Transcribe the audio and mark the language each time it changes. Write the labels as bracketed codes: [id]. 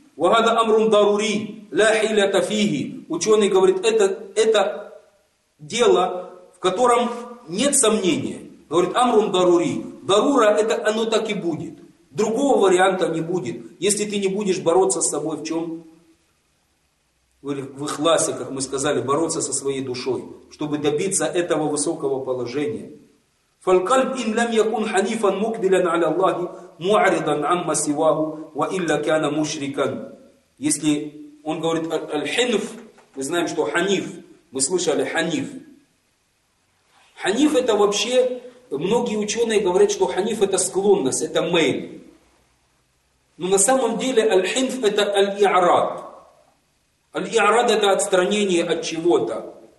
[ar] Вагада амрун дарури, ля хиля тафиги. [ru] Ученый говорит, это дело, в котором нет сомнения. Говорит, [ar] амрун дарури. [ru] Дарура, это оно так и будет. Другого варианта не будет, если ты не будешь бороться с собой в чем? В ихласе, как мы сказали, бороться со своей душой, чтобы добиться этого высокого положения. [ar] فالقلب إن لم يكن حنيفا مقبلا على الله معرضا عما سواه وإلا كان مشركا. [ru] Если он говорит аль-хинф, мы знаем, что ханиф, мы слышали ханиф. Ханиф это вообще, многие ученые говорят, что ханиф это склонность, это мейл. Но на самом деле аль-хинф это аль-и'рад. Аль-и'рад это отстранение от чего-то.